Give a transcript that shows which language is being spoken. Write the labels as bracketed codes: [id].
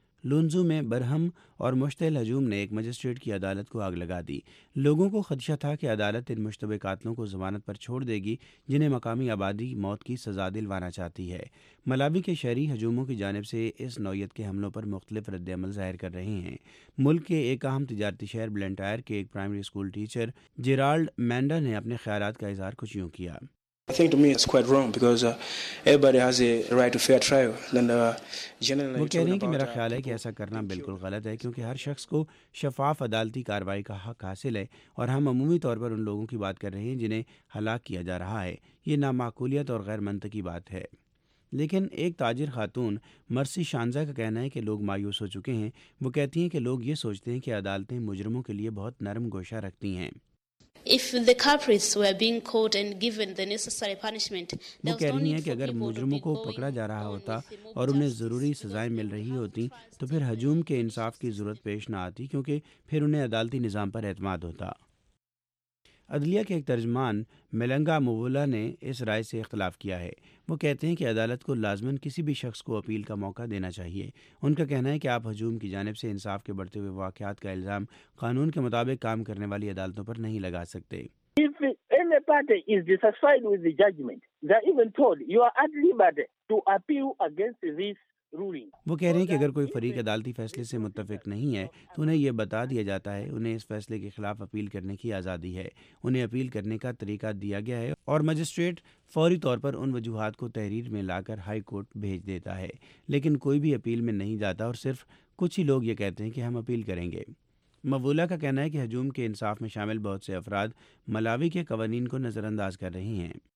[ur] لونزو میں برہم اور مشتعل ہجوم نے ایک مجسٹریٹ کی عدالت کو آگ لگا دی۔ لوگوں کو خدشہ تھا کہ عدالت ان مشتبہ قاتلوں کو ضمانت پر چھوڑ دے گی جنہیں مقامی آبادی موت کی سزا دلوانا چاہتی ہے۔ ملاوی کے شہری ہجوموں کی جانب سے اس نوعیت کے حملوں پر مختلف رد عمل ظاہر کر رہے ہیں۔ ملک کے ایک اہم تجارتی شہر بلنٹائر کے ایک پرائمری اسکول ٹیچر جیرالڈ مینڈا نے اپنے خیالات کا اظہار کچھ یوں کیا۔ [en] I think to me it's quite wrong because everybody has a right to fair trial and generally [ur] وہ کہہ رہے ہیں کہ میرا خیال ہے کہ ایسا کرنا بالکل غلط ہے کیونکہ ہر شخص کو شفاف عدالتی کاروائی کا حق حاصل ہے، اور ہم عمومی طور پر ان لوگوں کی بات کر رہے ہیں جنہیں ہلاک کیا جا رہا ہے۔ یہ نامعقولیت اور غیر منطقی بات ہے۔ لیکن ایک تاجر خاتون مرسی شانزا کا کہنا ہے کہ لوگ مایوس ہو چکے ہیں۔ وہ کہتی ہیں کہ لوگ یہ سوچتے ہیں کہ عدالتیں مجرموں کے لیے بہت نرم گوشہ رکھتی ہیں۔ [en] If the culprits were being caught and given the necessary punishment, there was no need for people to be going on with the mob justice. [ur] اور انہیں ضروری سزائیں مل رہی ہوتی تو پھر ہجوم کے انصاف کی ضرورت پیش نہ آتی، کیونکہ پھر انہیں عدالتی نظام پر اعتماد ہوتا۔ عدلیہ کے ایک ترجمان ملنگا مولا نے اس رائے سے اختلاف کیا ہے۔ وہ کہتے ہیں کہ عدالت کو لازماً کسی بھی شخص کو اپیل کا موقع دینا چاہیے۔ ان کا کہنا ہے کہ آپ ہجوم کی جانب سے انصاف کے بڑھتے ہوئے واقعات کا الزام قانون کے مطابق کام کرنے والی عدالتوں پر نہیں لگا سکتے۔ [en] If any party is dissatisfied with the judgment, they are even told you are at liberty to appeal against this ruling. [ur] وہ کہہ رہے ہیں کہ اگر کوئی فریق عدالتی فیصلے سے متفق نہیں ہے تو انہیں یہ بتا دیا جاتا ہے، انہیں اس فیصلے کے خلاف اپیل کرنے کی آزادی ہے۔ انہیں اپیل کرنے کا طریقہ دیا گیا ہے اور مجسٹریٹ فوری طور پر ان وجوہات کو تحریر میں لا کر ہائی کورٹ بھیج دیتا ہے، لیکن کوئی بھی اپیل میں نہیں جاتا اور صرف کچھ ہی لوگ یہ کہتے ہیں کہ ہم اپیل کریں گے۔ مولا کا کہنا ہے کہ ہجوم کے انصاف میں شامل بہت سے افراد ملاوی کے قوانین کو نظر انداز کر رہے ہیں۔